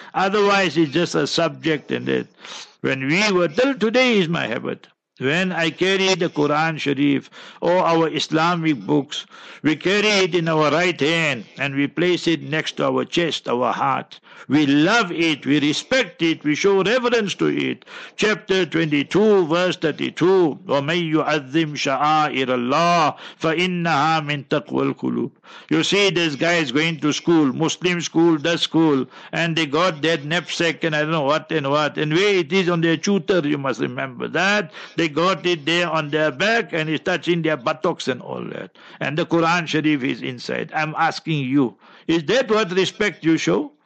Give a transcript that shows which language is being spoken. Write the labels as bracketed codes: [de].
[en] Otherwise, it's just a subject in it. When we were, till today is my habit. When I carry the Quran Sharif or our Islamic books, we carry it in our right hand and we place it next to our chest, our heart. We love it, we respect it, we show reverence to it. Chapter 22, verse 32, [ar] وَمَنْ يُعَذِّمْ شَعَائِرَ اللَّهِ فَإِنَّهَا مِنْ تَقْوَى الْقُلُوبِ. [en] You see, this guy is going to school, Muslim school, the school, and they got that knapsack and I don't know what and what. And where it is on their tutor, you must remember that. They got it there on their back and it's touching their buttocks and all that. And the Quran Sharif is inside. I'm asking you, is that what respect you show?